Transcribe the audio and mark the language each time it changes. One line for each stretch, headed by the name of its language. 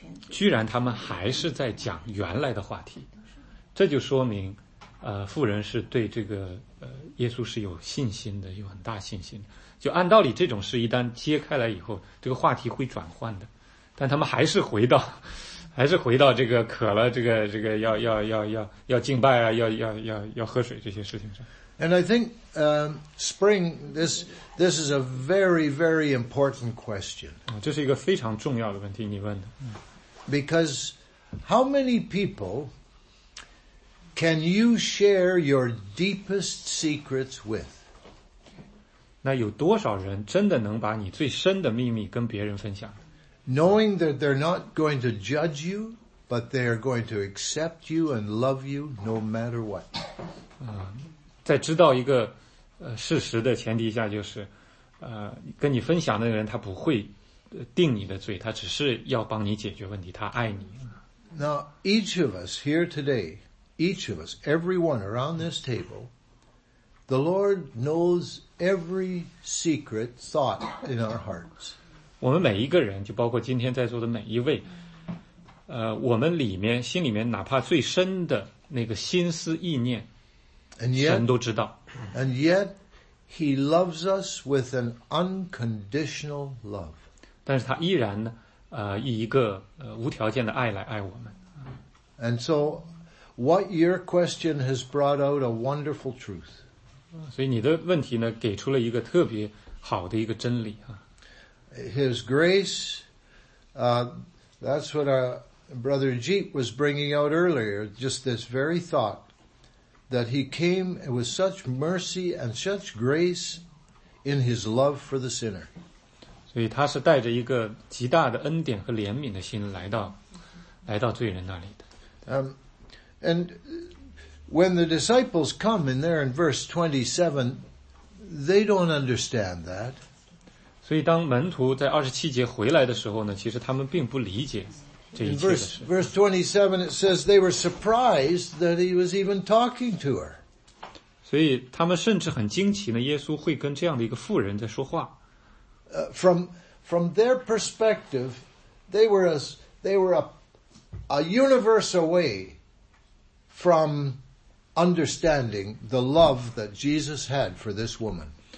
Chinese: 居然他们还是在讲原来的话题，这就说明妇人是对这个耶稣是有信心的，有很大信心的。就按道理这种事一旦揭开来以后，这个话题会转换的，但他们还是回到这个渴了，这个要敬拜啊，要喝水这些事情上。
English: And I think, spring, this is a very, very important question.
Chinese: 这是一个非常重要的问题，你问的。
English: Because how many people can you share your deepest secrets with?
Chinese: 那有多少人真的能把你最深的秘密跟别人分享？
English: Knowing that they're not going to judge you, but they are going to accept you and love you no matter what.
Chinese: 在知道一个事实的前提下，就是跟你分享的人他不会定你的罪，他只是要帮你解决问题，他爱你。
English: Now, each of us here today, each of us, everyone around this table, the Lord knows every secret thought in our hearts.
Chinese: 我们每一个人，就包括今天在座的每一位，我们里面心里面哪怕最深的那个心思意念，
English: And yet, he loves us with an unconditional love.
Chinese: 但是他依然呢，以一个无条件的爱来爱我们。
English: And so, what your question has brought out a wonderful truth.
Chinese: 所以你的问题呢，给出了一个特别好的一个真理啊。
English: His grace, that's what our brother Jeep was bringing out earlier. Just this very thought. That he came with such mercy and such grace in his love for the sinner.
Chinese: 所以他是带着一个极大的恩典和怜悯的心来到罪人那里的。
English: And when the disciples come in there in verse 27, they don't understand that.
Chinese: 所以当门徒在27节回来的时候呢，其实他们并不理解。
English: In verse 27, it says they were surprised that he was even talking to her.
Chinese: 所以他们甚至很惊奇呢，耶稣会跟这样的一个妇人在说话。
English: From their perspective, they were a universe away from understanding the love that Jesus had for this woman.